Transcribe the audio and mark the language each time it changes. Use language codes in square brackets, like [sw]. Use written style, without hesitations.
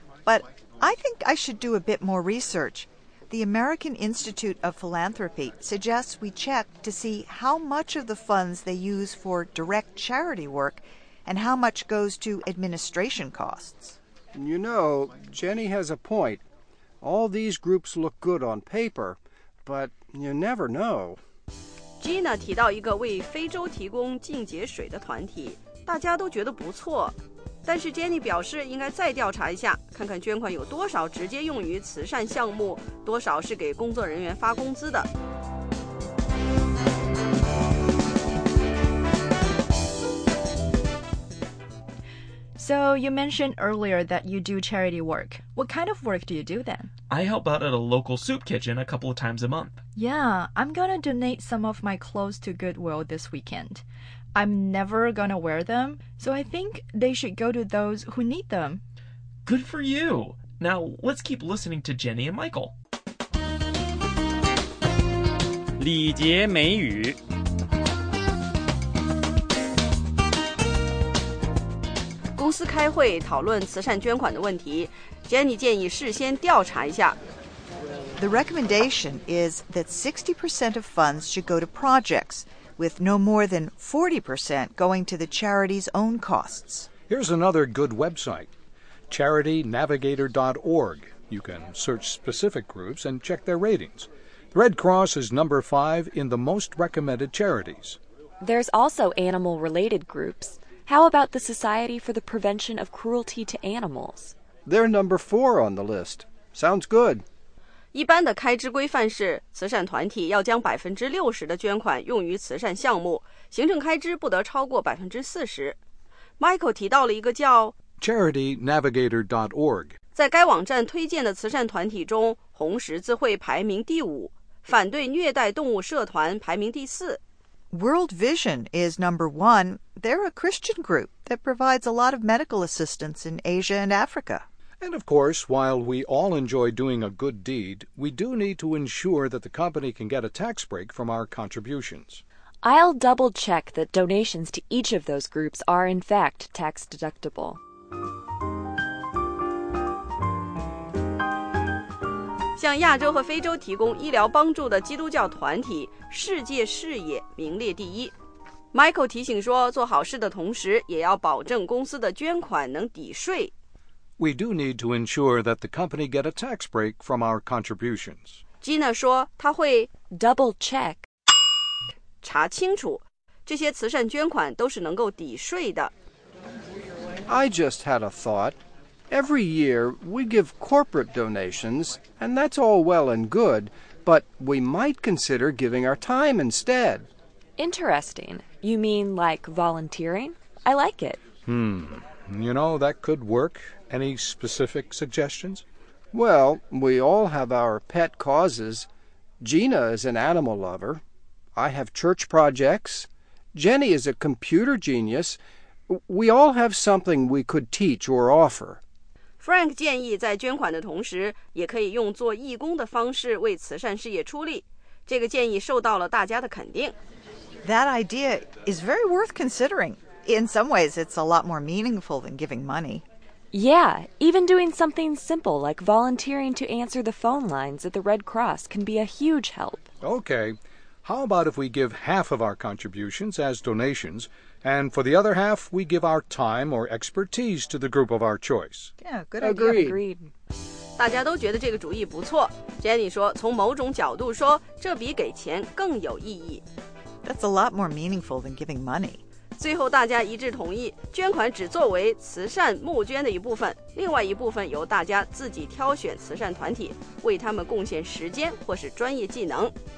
[en] But I think I should do a bit more research. The American Institute of Philanthropy suggests we check to see how much of the funds they use for direct charity work and how much goes to administration costs. You know, Jenny has a point. All these groups look good on paper, but you never know. [zh] Gina 提到一个为非洲提供净洁水的团体，大家都觉得不错。但是 Jenny 表示应该再调查一下，看看捐款有多少直接用于慈善项目，多少是给工作人员发工资的。 [en] So you mentioned earlier that you do charity work. What kind of work do you do then? I help out at a local soup kitchen a couple of times a month. Yeah, I'm gonna donate some of my clothes to Goodwill this weekend. I'm never gonna wear them, so I think they should go to those who need them. Good for you! Now, let's keep listening to Jenny and Michael. [zh] 礼节美语。公司开会讨论慈善捐款的问题， Jenny 建议事先调查一下。 [en] The recommendation is that 60% of funds should go to projects,with no more than 40% going to the charity's own costs. Here's another good website, charitynavigator.org. You can search specific groups and check their ratings. The Red Cross is number 5 in the most recommended charities. There's also animal-related groups. How about the Society for the Prevention of Cruelty to Animals? They're number 4 on the list. Sounds good. [zh] 一般的开支规范是慈善团体要将60%的捐款用于慈善项目，行政开支不得超过40%。 Michael 提到了一个叫 CharityNavigator.org。在该网站推荐的慈善团体中，红十字会排名第5，反对虐待动物社团排名第4。 [en] World Vision is number 1. They're a Christian group that provides a lot of medical assistance in Asia and Africa. And of course, while we all enjoy doing a good deed, we do need to ensure that the company can get a tax break from our contributions. I'll double check that donations to each of those groups are in fact tax deductible. [zh] 向亚洲和非洲提供医疗帮助的基督教团体世界视野名列第一。 Michael 提醒说，做好事的同时，也要保证公司的捐款能抵税。 [en] We do need to ensure that the company get a tax break from our contributions. [zh] Gina 说她会 [en] double check [zh] 查清楚这些慈善捐款都是能够抵税的。 [en] I just had a thought. Every year, we give corporate donations, and that's all well and good, but we might consider giving our time instead. Interesting. You mean like volunteering? I like it. You know, that could work. Any specific suggestions? Well, we all have our pet causes. Gina is an animal lover. I have church projects. Jenny is a computer genius. We all have something we could teach or offer. [zh] Frank 建议在捐款的同时也可以用做义工的方式为慈善事业出力。这个建议受到了大家的肯定。 [en] That idea is very worth considering. In some ways, it's a lot more meaningful than giving money. Yeah, even doing something simple like volunteering to answer the phone lines at the Red Cross can be a huge help. Okay, how about if we give half of our contributions as donations, and for the other half, we give our time or expertise to the group of our choice? Yeah, good idea. Agreed. [zh] 大家都觉得这个主意不错。 Jenny 说，从某种角度说，这比给钱更有意义。 [en] That's a lot more meaningful than giving money. [zh] 最后大家一致同意，捐款只作为慈善募捐的一部分，另外一部分由大家自己挑选慈善团体，为他们贡献时间或是专业技能。